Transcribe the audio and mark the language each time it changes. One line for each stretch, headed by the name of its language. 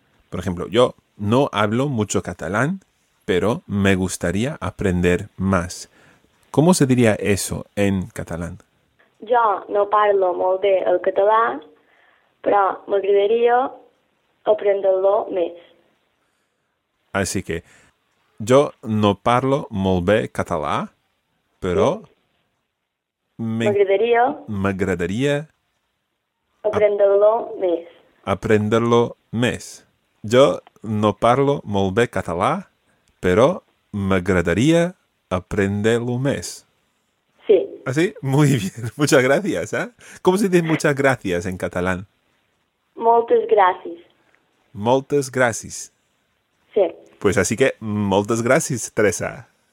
Spanish: Por ejemplo, yo no hablo mucho catalán, pero me gustaría aprender más. ¿Cómo se diría eso en catalán? Yo no hablo muy bien el catalán, pero me gustaría aprenderlo más. Así que,
Catalan: yo no parlo molt bé català, però sí. m'agradaria aprendre-lo més. Aprendre-lo més. Jo no parlo molt bé català, però m'agradaria aprendre-lo més. Sí.
Spanish: Ah, sí? Muy bien. Muchas gracias, ¿eh? ¿Cómo se dice muchas gracias en catalán?
Catalan: Moltes gràcies. Moltes gràcies. Sí.
Spanish: Pues así que,
Catalan: moltes gràcies, Teresa.